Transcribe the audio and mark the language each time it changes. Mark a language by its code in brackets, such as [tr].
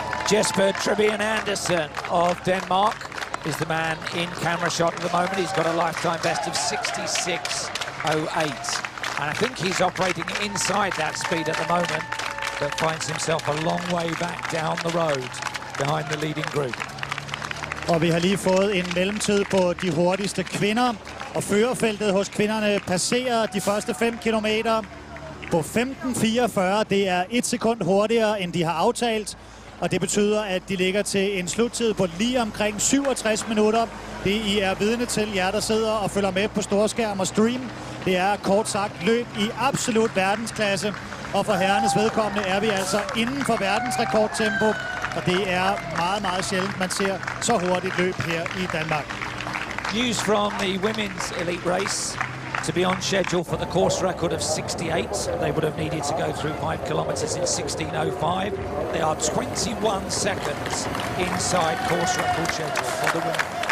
[en] Jesper Trebjerg Andersen of Denmark is the man in camera shot at the moment. He's got a lifetime best of 66.08. And I think he's operating inside that speed at the moment, but finds himself a long way back down the road behind the leading group. [da] Og vi har lige fået en mellemtid på de hurtigste kvinder. Og førerfeltet hos kvinderne passerer de første 5 kilometer på 15.44. Det er 1 sekund hurtigere, end de har aftalt. Og det betyder, at de ligger til en sluttid på lige omkring 67 minutter. Det I er vidne til, jer der sidder og følger med på storskærm og stream. Det er kort sagt løb i absolut verdensklasse. Og for herrenes vedkommende er vi altså inden for verdensrekordtempo. Og det er meget, meget sjældent, man ser så hurtigt løb her i Danmark. [en] News from the women's elite race to be on schedule for the course record of 68. They would have needed to go through 5 kilometers in 16.05. They are 21 seconds inside course record schedule for the women.